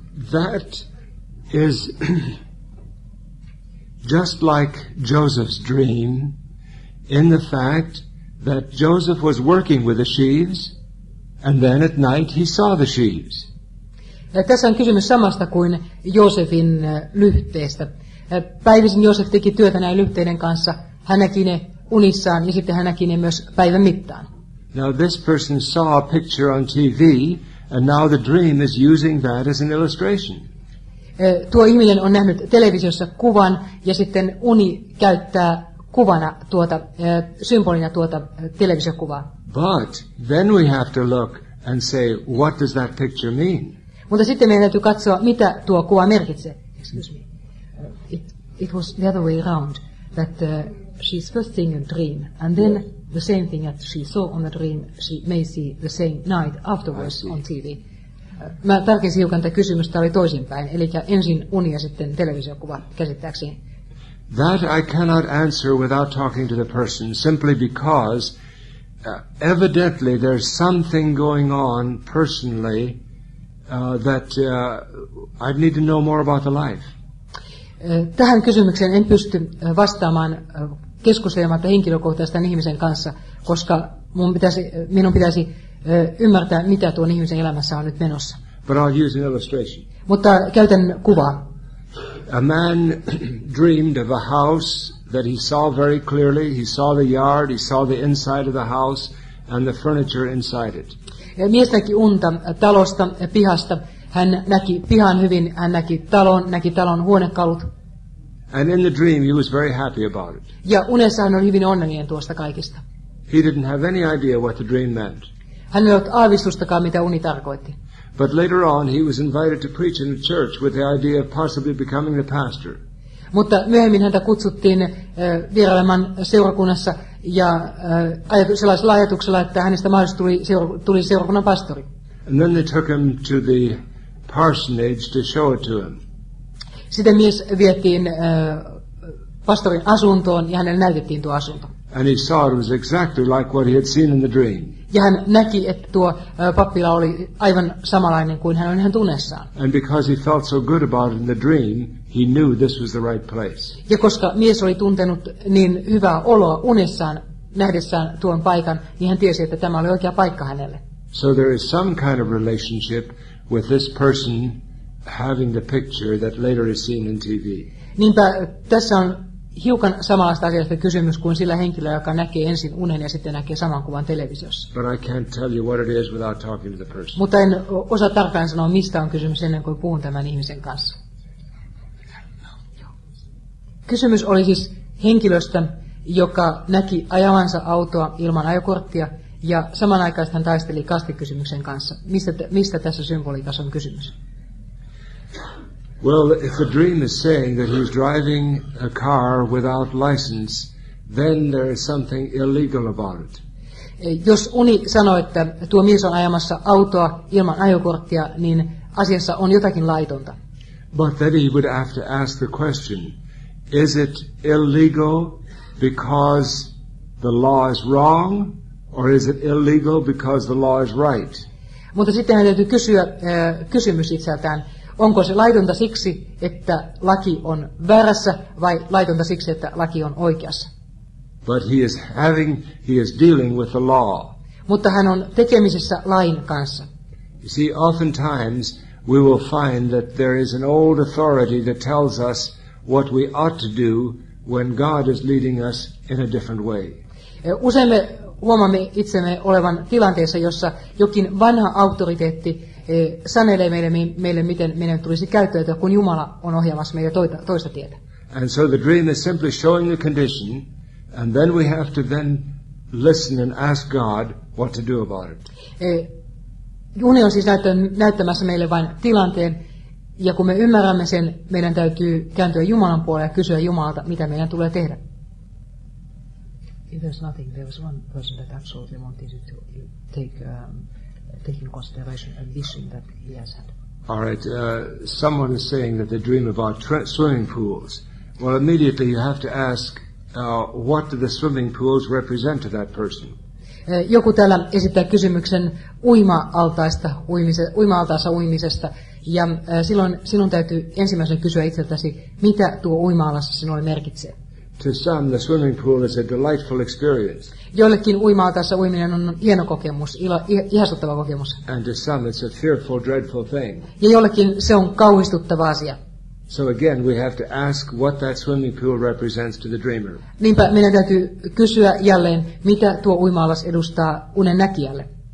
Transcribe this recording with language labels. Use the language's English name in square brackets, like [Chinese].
[English] That is just like Joseph's dream in the fact that Joseph was working with the sheaves, and then at night he saw the sheaves. [Finnish] Tässä on kysymys samasta kuin Joosefin lyhteestä. Päivisin Joosef teki työtä näin lyhteiden kanssa. Hän näki ne unissaan ja sitten hän näki ne myös päivän mittaan. [English] Now this person saw a picture on TV and now the dream is using that as an illustration. [Finnish] Tuo ihminen on nähnyt televisiossa kuvan ja sitten uni käyttää kuvana symbolina tuota televisiokuvaa. [English] But then we have to look and say what does that picture mean? [Finnish] Mutta sitten meidän täytyy katsoa mitä tuo kuva merkitsee. [English] Excuse me. It was the other way around. That she's first seeing a dream, and then the same thing that she saw on the dream, she may see the same night afterwards on TV. [Finnish] Mä tarkensin hiukan tätä kysymystä, oli toisinpäin, eli ensin uni ja sitten televisiokuva käsittääkseen. [English] That I cannot answer without talking to the person, simply because evidently there's something going on personally that I'd need to know more about the life. [Finnish] Tähän kysymykseen en pysty vastaamaan keskustelematta henkilökohtaisen ihmisen kanssa, koska minun pitäisi ymmärtää, mitä tuon ihmisen elämässä on nyt menossa. [English] But I'll use an illustration. [Finnish] Mutta käytän kuvaa. [English] A man dreamed of a house that he saw very clearly. He saw the yard, he saw the inside of the house, and the furniture inside it. [Finnish] Mies näki unta talosta pihasta. Hän näki pihan hyvin, hän näki talon huonekalut. [English] And in the dream he was very happy about it. [Finnish] Ja unessa hän oli hyvin onnellinen tuosta kaikesta. [English] He didn't have any idea what the dream meant. [Finnish] Hän ei ollut aavistustakaan, mitä uni tarkoitti. [English] But later on he was invited to preach in a church with the idea of possibly becoming the pastor. [Finnish] Mutta myöhemmin häntä kutsuttiin vierailemaan seurakunnassa ja sellaisella ajatuksella, että hänestä mahdollisesti tuli seurakunnan pastori. [English] And then they took him to the parsonage to show it to him. [Finnish] Sitten mies vietiin pastorin asuntoon ja hänelle näytettiin tuo asunto. [English] And he saw it was exactly like what he had seen in the dream. [Finnish] Ja hän näki, että tuo pappila oli aivan samanlainen kuin hän oli hän tunnessaan. [English] And because he felt so good about it in the dream, he knew this was the right place. [Finnish] Ja koska mies oli tuntenut niin hyvää oloa unessaan nähdessään tuon paikan, niin hän tiesi, että tämä oli oikea paikka hänelle. [English] So there is some kind of relationship with this person having the picture that later is seen in TV. [Finnish] Niinpä tässä on hiukan samanlaista asiasta kysymys kuin sillä henkilöllä, joka näkee ensin unen ja sitten näkee saman kuvan televisiossa. [English] But I can't tell you what it is without talking to the person. [Finnish] Mutta en osaa tarkkaan sanoa, mistä on kysymys ennen kuin puhun tämän ihmisen kanssa. Kysymys oli siis henkilöstä, joka näki ajavansa autoa ilman ajokorttia ja samanaikaisesti hän taisteli kastekysymyksen kanssa. Mistä tässä symboliikassa on kysymys? [English] Well, if the dream is saying that he's driving a car without license, then there is something illegal about it. [Finnish] Jos uni sanoo, että tuo mies on ajamassa autoa ilman ajokorttia, niin asiassa on jotakin laitonta. [English] But then he would have to ask the question, is it illegal because the law is wrong, or is it illegal because the law is right? [Finnish] Mutta sitten hän täytyy kysyä kysymys itseltään. Onko se laitonta siksi, että laki on väärässä, vai laitonta siksi, että laki on oikeassa? [English] But he is dealing with the law. [Finnish] Mutta hän on tekemisissä lain kanssa. [English] You see, oftentimes we will find that there is an old authority that tells us what we ought to do when God is leading us in a different way. [Finnish] Usein me huomaamme itsemme olevan tilanteessa, jossa jokin vanha auktoriteetti sanelee meille, miten meidän tulisi käyttäytyä, kun Jumala on ohjaamassa meitä toista tietä. [English] And so the dream is simply showing the condition, and then we have to then listen and ask God what to do about it. [Finnish] Uni on siis näyttämässä meille vain tilanteen, ja kun me ymmärrämme sen, meidän täytyy kääntyä Jumalan puoleen ja kysyä Jumalalta, mitä meidän tulee tehdä. [English] There's nothing. There was one person that absolutely wanted to take taking consideration a vision that he has had. All right. Someone is saying that they dream about swimming pools. Well, immediately you have to ask, what do the swimming pools represent to that person? [Finnish] Joku täällä esittää kysymyksen uima-altaassa uimisesta, ja silloin sinun täytyy ensimmäisenä kysyä itseltäsi, mitä tuo uima-altaassa sinulle merkitsee. [English] To some, the swimming pool is a delightful experience. [Finnish] Joillekin uima-altaassa uiminen on hieno kokemus, ihastuttava kokemus. [English] And to some, it's a fearful, dreadful thing. [Finnish] Ja joillekin se on kauhistuttava asia. [English] So again, we have to ask what that swimming pool represents to the dreamer. [Finnish] Niinpä meidän täytyy kysyä jälleen, mitä tuo uima-altaas edustaa unen näkijälle.